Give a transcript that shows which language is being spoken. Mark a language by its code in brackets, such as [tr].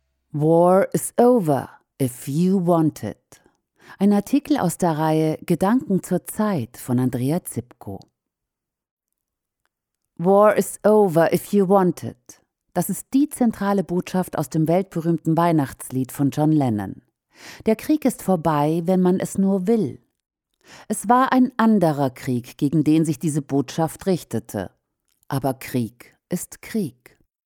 [en] War is over, if you want it. [de] Ein Artikel aus der Reihe Gedanken zur Zeit von Andrea Zipko. [en] War is over, if you want it. [de] Das ist die zentrale Botschaft aus dem weltberühmten Weihnachtslied von John Lennon. Der Krieg ist vorbei, wenn man es nur will. Es war ein anderer Krieg, gegen den sich diese Botschaft richtete. Aber Krieg ist Krieg.